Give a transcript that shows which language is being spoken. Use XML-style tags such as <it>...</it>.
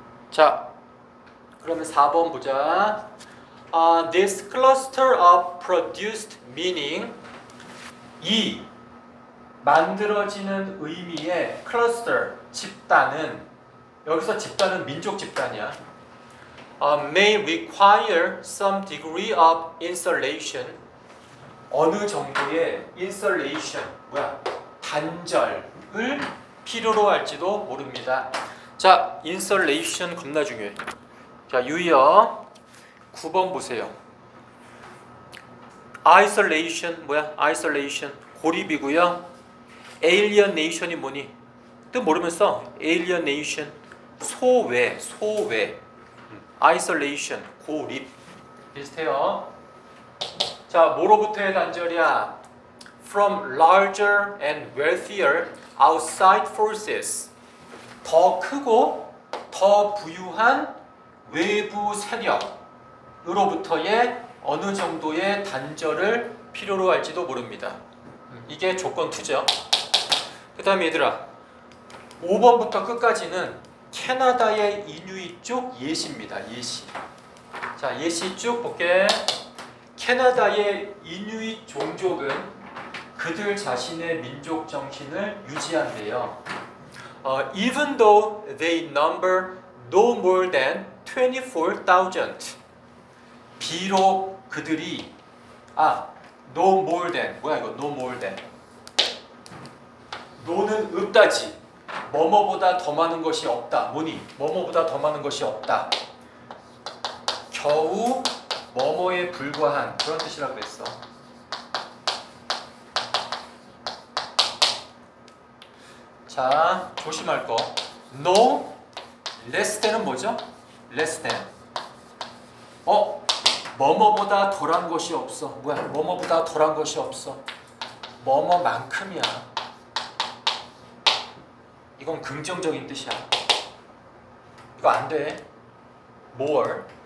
<ko>자, 그러면 4번 보자.</ko> <en>This cluster of produced meaning</en> <ko>이 만들어지는 의미의 클러스터, 집단은 여기서 집단은 민족 집단이야.</ko> <en>May require some degree of insulation.</en> <ko>어느 정도의 insulation, 뭐야? 단절을 필요로 할지도 모릅니다. 자, insulation 겁나 중요해. 자, 유의어 9번 보세요. Isolation, 뭐야? Isolation, 고립이고요. Alienation이 뭐니? 뜻 모르면서 Alienation 소외, 소외 Isolation, 고립 비슷해요. 자, 뭐로부터의 단절이야?</ko> <en>From larger and wealthier outside forces.</en> <ko>더 크고 더 부유한 외부 세력으로부터의 어느 정도의 단절을 필요로 할지도 모릅니다. 이게 조건 2죠. 그 다음에 얘들아, 5번부터 끝까지는 캐나다의 이누잇 쪽 예시입니다. 예시. 자, 예시 쭉 볼게. 캐나다의 이누잇 종족은 그들 자신의 민족 정신을 유지한대요.</ko> <en>Even though they number no more than 24,000.</en> <ko>비록 그들이, 아, no more than, 뭐야 이거, no more than. 너는 없다지. 뭐뭐보다 더 많은 것이 없다. 뭐니? 뭐뭐보다 더 많은 것이 없다. 겨우 뭐뭐에 불과한 그런 뜻이라고 했어. 자, 조심할 거. No, less than은 뭐죠? Less than. 어? 뭐뭐보다 덜한 것이 없어. 뭐야? 뭐뭐보다 덜한 것이 없어. 뭐뭐만큼이야. 이건 긍정적인 뜻이야. 이거 안 돼. More.</ko>